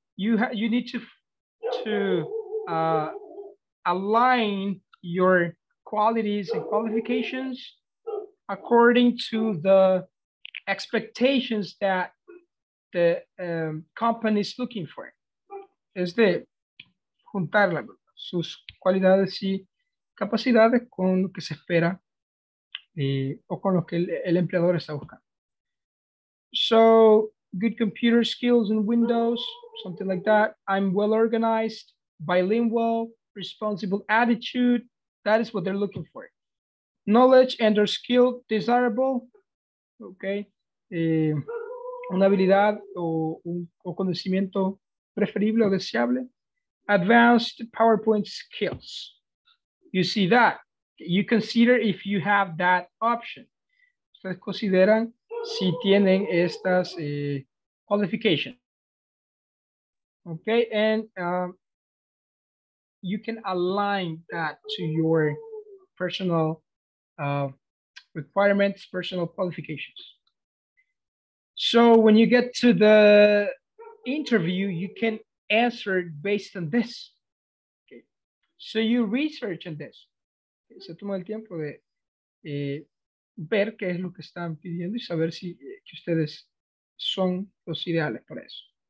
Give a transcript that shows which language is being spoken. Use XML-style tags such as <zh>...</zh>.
<en>You need to align your qualities and qualifications according to the expectations that the company is looking for.</en> <es>Es de juntar sus cualidades y capacidades con lo que se espera o con lo que el empleador está buscando.</es> <en>So, good computer skills in Windows, something like that. I'm well organized, bilingual, responsible attitude. That is what they're looking for. Knowledge and or skill desirable. Okay.</en> <es>Una habilidad o conocimiento preferible o deseable.</es> <en>Advanced PowerPoint skills. You see that. You consider if you have that option.</en> <es>Ustedes consideran si tienen estas</es> <en>qualifications. Okay, and you can align that to your personal requirements, personal qualifications. So when you get to the interview, you can answer based on this. So you research on this.</en> <es>Se toma el tiempo de ver qué es lo que están pidiendo y saber si que ustedes son los ideales para eso.</es>